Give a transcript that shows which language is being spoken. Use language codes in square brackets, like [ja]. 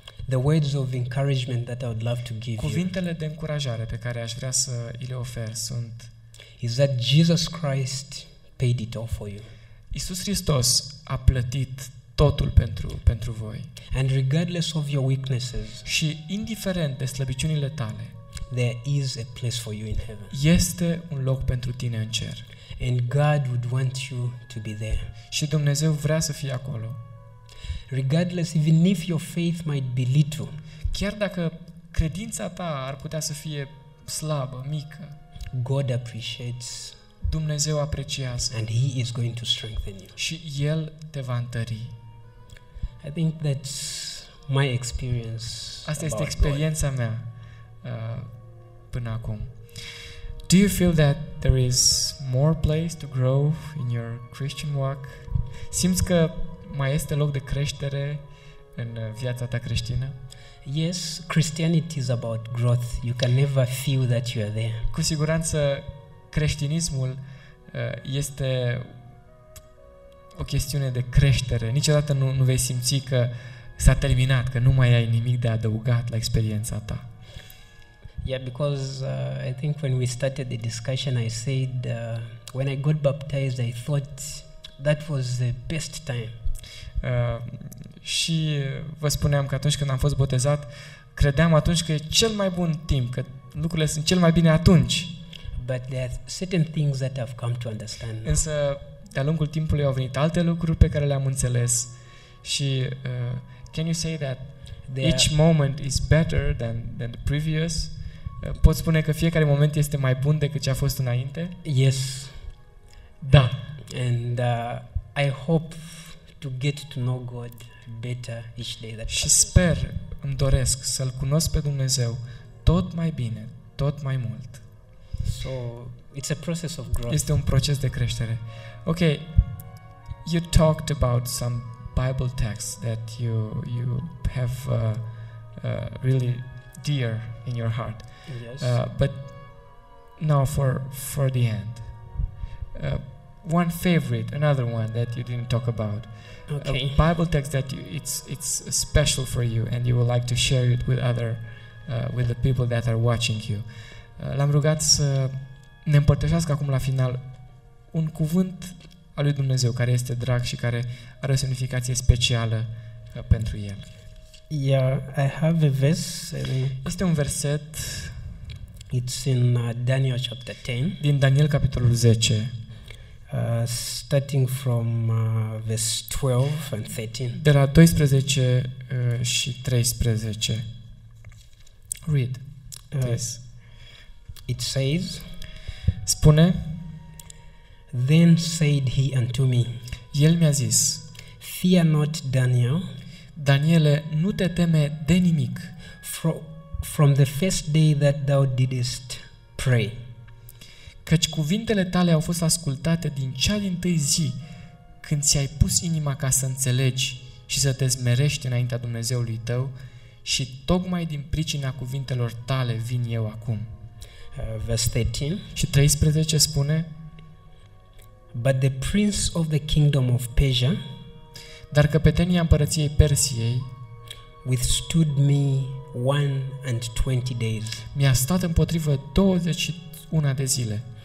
[en] The words of encouragement that I would love to give you. [ro] Cuvintele de încurajare pe care aș vrea să îi le ofer sunt: [en] is that Jesus Christ paid it all for you? [ro] Iisus Hristos a plătit totul pentru voi. [en] And regardless of your weaknesses. [ro] Și indiferent de slăbiciunile tale. [en] There is a place for you in heaven. [ro] Este un loc pentru tine în cer. [en] And God would want you to be there. [ro] Și Dumnezeu vrea să fie acolo. [en] Regardless, even if your faith might be little. [ro] Chiar dacă credința ta ar putea să fie slabă, mică. [en] God appreciates. [ro] Dumnezeu apreciază. [en] And he is going to strengthen you. [ro] Și el te va întări. [en] I think that's my experience. [ro] Asta este experiența mea până acum. [en] Do you feel that there is more place to grow in your Christian walk? [ro] Simți că mai este loc de creștere în viața ta creștină? [en] Yes, Christianity is about growth. You can never feel that you are there. [ro] Cu siguranță creștinismul este o chestiune de creștere. Niciodată nu vei simți că s-a terminat, că nu mai ai nimic de adăugat la experiența ta. [en] Yeah, because I think when we started the discussion, I said when I got baptized, I thought that was the best time. [ro] Și vă spuneam că atunci când am fost botezat, credeam atunci că e cel mai bun timp, că lucrurile sunt cel mai bine atunci. [en] But there are certain things that I've come to understand. [ro] Însă de-a lungul timpului au venit alte lucruri pe care le-am înțeles. [en] Și can you say that each moment is better than the previous? [ro] Pot spune că fiecare moment este mai bun decât ce a fost înainte? [en] Yes. [ro] Da. [en] And I hope to get to know God better each day. [ro] Și sper, îmi doresc să-L cunosc pe Dumnezeu tot mai bine, tot mai mult. [en] So, it's a process of growth. [ro] Este un proces de creștere. [en] Ok, you talked about some Bible texts that you have really dear in your heart. Yes. But now for the end. One favorite, another one that you didn't talk about. Okay. A Bible text that it's special for you and you would like to share it with other with the people that are watching you. [ro] L-am rugat să ne împărtășească acum la final un cuvânt al lui Dumnezeu care este drag și care are o semnificație specială pentru el. [en] Yeah, I have a verse. [ro] Este un verset. [en] It's in Daniel chapter 10. [ro] Din Daniel capitolul 10. [en] Starting from verse 12 and 13. [ro] De la 12 și 13. [en] Read. Please. It says, [ro] spune, [en] then said he unto me, [ro] el mi-a zis, [en] fear not Daniel, [ro] Daniele, nu te teme de nimic, [en] from the first day that thou didest pray, [ro] căci cuvintele tale au fost ascultate din cea din tâi zi, când ți-ai pus inima ca să înțelegi și să te smerești înaintea Dumnezeului tău, și tocmai din pricina cuvintelor tale vin eu acum. [en] Verse 13 [ro] spune, [en] but the prince of the kingdom of Persia, [ro] dar căpetenia împărăției Persiei, [en] withstood me 120 days, [ro] mi-a stat împotrivă 21 de zile.